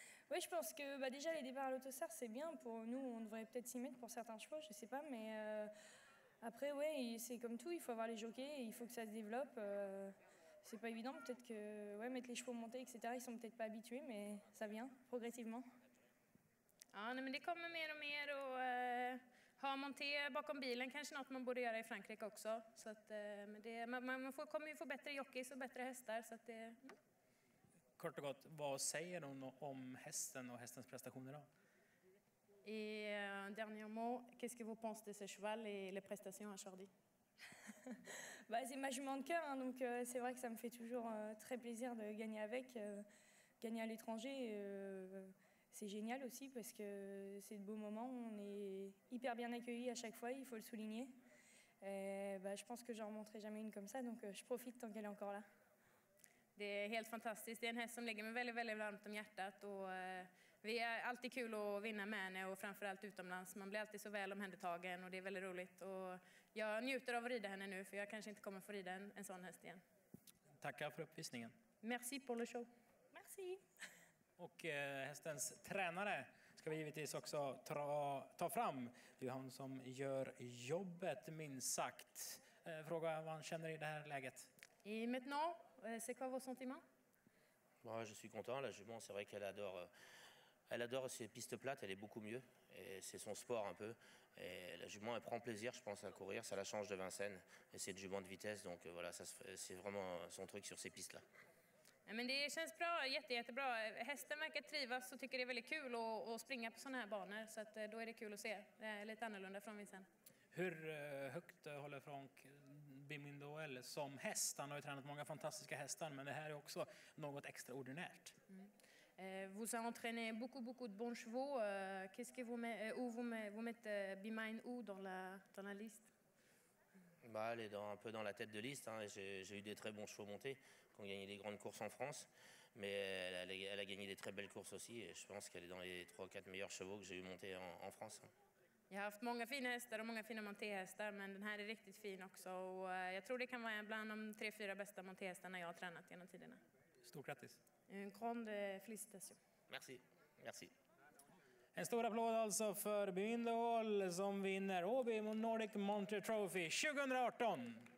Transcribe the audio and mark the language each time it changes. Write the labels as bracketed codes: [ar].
[fr] Oui, je pense que déjà les départs à l'autostart, c'est bien pour nous. On devrait peut-être s'y mettre pour certains chevaux, je ne sais pas. Mais après, oui, c'est comme tout, il faut avoir les jockeys, il faut que ça se développe. C'est pas évident, peut-être que ouais, mettre les chevaux montés, etc., ils ne sont peut-être pas habitués, mais ça vient progressivement. [sv] Ja, nej, men det kommer mer och mer att ha monté bakom bilen. Kanske något man borde göra i Frankrike också. Så att, men det, man får, kommer ju få bättre jockeys och bättre hästar. Så att det, ja. Kort och gott, vad säger hon om hästen och hästens prestationer då? [fr] Dernier mot, qu'est-ce que vous pensez de ce cheval et les prestations aujourd'hui? Bah, c'est ma jument de cœur, hein, donc c'est vrai que ça me fait toujours très plaisir de gagner avec, gagner à l'étranger. C'est génial aussi parce que c'est de beaux moments, on est hyper bien accueillis à chaque fois, il faut le souligner. Je pense que je n'en remonterai jamais une comme ça, donc je profite tant qu'elle est encore là. [sv] Det är helt fantastiskt, det är en häst som ligger mig väldigt, väldigt varmt om hjärtat. Och, vi är alltid kul att vinna med henne och framförallt utomlands. Man blir alltid så väl omhändertagen och det är väldigt roligt. Och jag njuter av att rida henne nu för jag kanske inte kommer få rida en sån häst igen. Tackar för uppvisningen. [fr] Merci pour le show. Merci. [sv] Och hästens tränare ska vi givetvis också ta fram. Det är han som gör jobbet, minst sagt. Fråga vad han känner i det här läget. [fr] Et maintenant, c'est quoi vos sentiments? Moi, je suis content. La jument, c'est vrai qu'elle adore. Elle adore ses pistes plates. Elle est beaucoup mieux. Et c'est son sport un peu. Et la jument, elle prend plaisir, je pense, à courir. Ça la change de Vincennes. Et c'est une jument de vitesse. Donc voilà, ça, c'est vraiment son truc sur ces pistes-là. [sv] Men det känns bra, jättebra. Hästen verkar trivas och tycker det är väldigt kul att springa på såna här banor. Så att, då är det kul att se. Det är lite annorlunda från Vincent. Hur högt håller Frank Bimindoel som häst? Han har ju tränat många fantastiska hästar, men det här är också något extraordinärt. [fr] Vous avez entraîné beaucoup de bons chevaux. Qu'est-ce que vous mettez Bimindoel dans la liste? Bah, elle est un peu dans la tête de liste. Hein. J'ai eu des très bons chevaux montés. Ont gagné des grandes courses en France, mais elle a gagné des très belles courses aussi et je pense qu'elle est dans les 3-4 meilleurs chevaux que j'ai eu monter en France. [sv] Jag har haft många fina hästar och många fina montéhästar, men den här är riktigt fin också och jag tror det kan vara bland de 3-4 bästa montéhästarna jag har tränat genom tiderna. Stort grattis. [fr] En grande félicitation. Merci. Merci. [sv] En stor applåd alltså för Bindol som vinner Åby Nordic Monte Trophy 2018.